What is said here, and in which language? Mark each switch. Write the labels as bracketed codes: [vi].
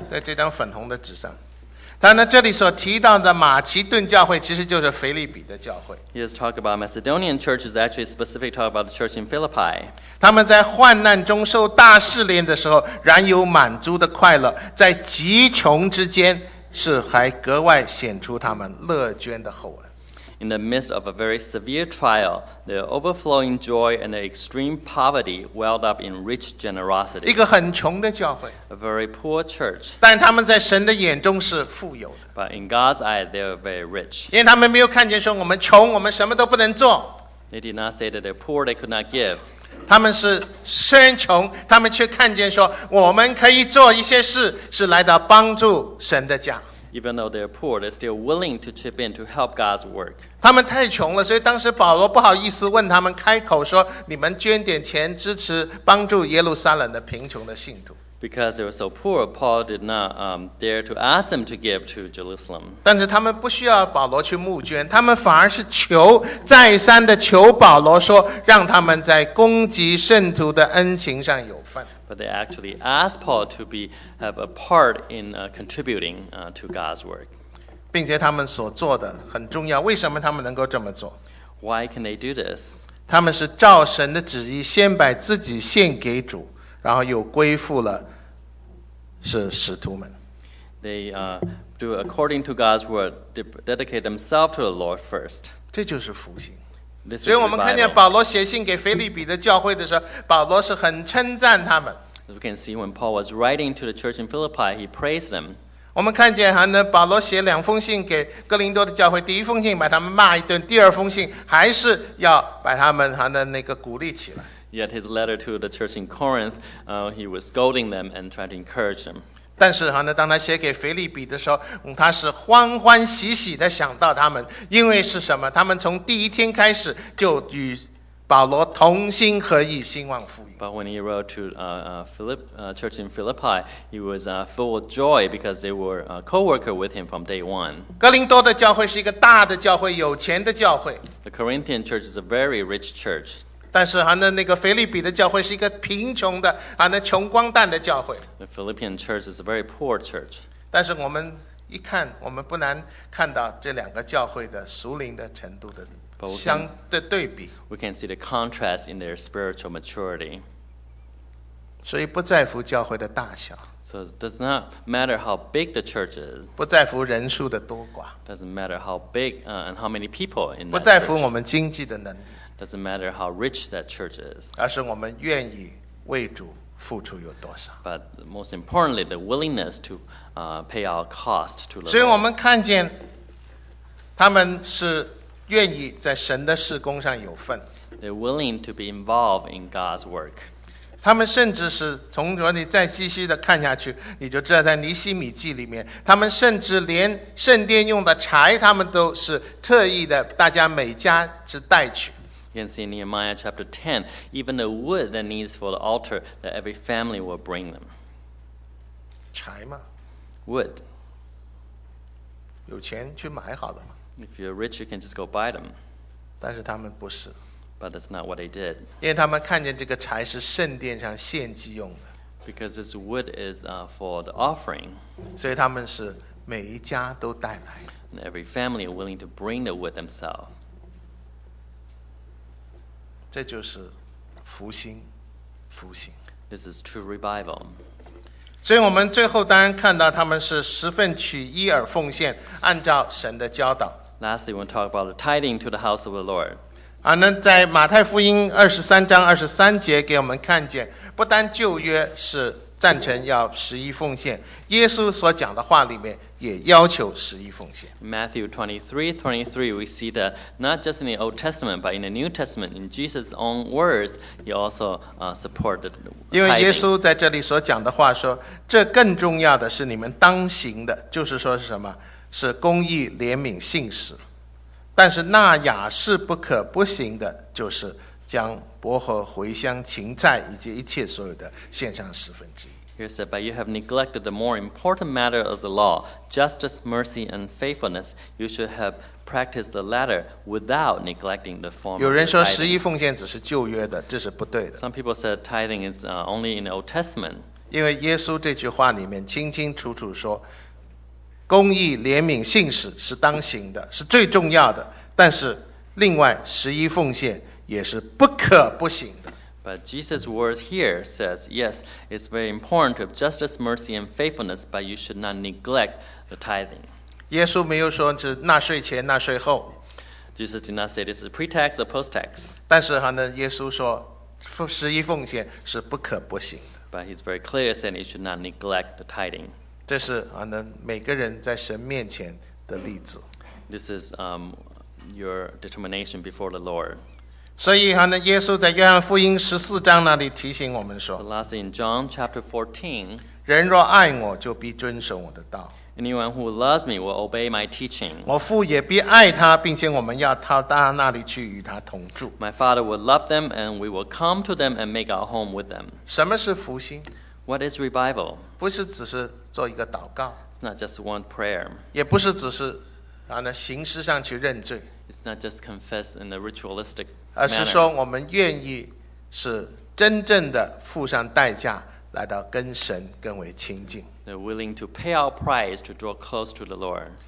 [zh] 在这张粉红的纸上，当然这里所提到的马其顿教会其实就是腓立比的教会。 [en] He has talked about Macedonian church is actually specific talk about the church in Philippi. [zh] 他们在患难中受大试炼的时候然有满足的快乐，在极穷之间是还格外显出他们乐捐的厚恩。 [en] In the midst of a very severe trial, the overflowing joy and the extreme poverty welled up in rich generosity. [zh] 一个很穷的教会。 [en] A very poor church. [zh] 但他们在神的眼中是富有的。 [en] But in God's eye, they are very rich. [zh] 因为他们没有看见说我们穷，我们什么都不能做。 [en] They did not say that they're poor, they could not give. [zh] 他们是虽然穷，他们却看见说我们可以做一些事，是来到帮助神的家。 [en] Even though they're poor, they're still willing to chip in to help God's work. [zh] 他们太穷了，所以当时保罗不好意思问他们开口说，你们捐点钱支持帮助耶路撒冷的贫穷的信徒。 [en] Because they were so poor, Paul did not dare to ask them to give to Jerusalem. [zh] 但是他们不需要保罗去募捐，他们反而是求，再三的求保罗说，让他们在供给圣徒的恩情上有份。 [en] But they actually asked Paul to have a part in contributing to God's work. [zh] 并且他们所做的很重要，为什么他们能够这么做？ [en] Why can they do this? [zh] 他们是照神的旨意先把自己献给主，然后又归附了是使徒们。 [en] They do according to God's word, dedicate themselves to the Lord first. [zh] 这就是复兴。所以我们看见保罗写信给腓立比的教会的时候，保罗是很称赞他们。 [en] As we can see, when Paul was writing to the church in Philippi, he praised them. [zh] 我们看见还能保罗写两封信给哥林多的教会，第一封信把他们骂一顿，第二封信还是要把他们还能那个鼓励起来。 [en] Yet his letter to the church in Corinth, he was scolding them and trying to encourage them. [zh] 但是还能当他写给腓立比的时候、他是欢欢喜喜地想到他们，因为是什么？他们从第一天开始就与保罗同心合意兴旺福音。 [en] But when he wrote to church in Philippi, he was full of joy because they were co-worker with him from day one. [zh] 哥林多的教会是一个大的教会，有钱的教会。 [en] The Corinthian church is a very rich church. [zh] 但是啊，那个腓立比的教会是一个贫穷的啊，那穷光蛋的教会。 [en] The Philippian church is a very poor church. [zh] 但是我们一看，我们不难看到这两个教会的属灵的程度的。相的对比 [en] we can see the contrast in their spiritual maturity. [zh] 所以不在乎教会的大小 [en] So it does not matter how big the church is. [zh] 不在乎人数的多寡 [en] Doesn't matter how big and how many people in that church. [zh] 不在乎我们经济的能力 [en] Doesn't matter how rich that church is. [zh] 而是我们愿意为主付出有多少 [en] But most importantly, the willingness to pay our cost to the Lord. [zh] 所以我们看见他们是愿意在神的事工上有份。 [en] They're willing to be involved in God's work. [zh] 他们甚至是从如果你再继续的看下去，你就知道在尼希米记里面，他们甚至连圣殿用的柴，他们都是特意的，大家每家只带去。 [en] You can see in Nehemiah chapter 10, even the wood that needs for the altar, that every family will bring them. [zh] 柴吗 [en] ？Wood. [zh] 有钱去买好了吗？ [en] If you're rich, you can just go buy them. [zh] 但是他们不是。 [en] But that's not what they did. [zh] 因为他们看见这个柴是圣殿上献祭用的。 [en] Because this wood is for the offering. [zh] 所以他们是每一家都带来。 [en] And every family are willing to bring the wood themselves. [zh] 这就是复兴，复兴。 [en] This is true revival. [zh] 所以我们最后当然看到他们是十分取一而奉献，按照神的教导。 [en] Lastly, we'll talk about the tithing to the house of the Lord. [zh] 啊，那在马太福音23:23给我们看见，不单旧约是赞成要十一奉献，耶稣所讲的话里面也要求十一奉献。 [en] Matthew 23:23, we see that not just in the Old Testament, but in the New Testament, in Jesus' own words, he also supported the tithing. [zh] 因为耶稣在这里所讲的话说，这更重要的是你们当行的，就是说是什么？是公义、怜悯、信实。但是那亚是不可不行的，就是将薄荷、茴香、芹菜以及一切所有的献上十分之一。 [en] He said, but you have neglected the more important matter of the law, justice, mercy, and faithfulness. You should have practiced the latter without neglecting the former. [zh] 有人说十一奉献只是旧约的，这是不对的。 [en] Some people said tithing is only in the Old Testament. [zh] 因为耶稣这句话里面清清楚楚说，公义、怜悯、信实是当行的，是最重要的。但是另外十一奉献也是不可不行的。 [en] But Jesus' word here says, yes, it's very important to have justice, mercy, and faithfulness, but you should not neglect the tithing. [zh] 耶稣没有说是纳税前、纳税后。 [en] Jesus did not say this is pre-tax or post-tax. [zh] 但是呢，耶稣说，十一奉献是不可不行的。 [en] But he's very clear saying you should not neglect the tithing. [zh] 这是呢，每个人在神面前的例子。 [en] This is your determination before the Lord. [zh] 所以呢，耶稣在约翰福音14那里提醒我们说 [en] ，Last in John chapter 14， [zh] 人若爱我，就必遵守我的道。 [en] Anyone who loves me will obey my teaching。 [zh] 我父也必爱他，并且我们要到他那里去与他同住。 [en] My father will love them, and we will come to them and make our home with them。 [zh] 什么是复兴 [en] ？What is revival？ [zh] 不是只是做一个祷告 [en] ，It's not just one prayer。 [zh] 也不是只是那形式上去认罪 [en] ，It's not just confess in a ritualistic。 [zh] 而是说我们愿意是真正的付上代价来到跟神更为亲近。 [en] They're willing to pay our price to draw close to the Lord.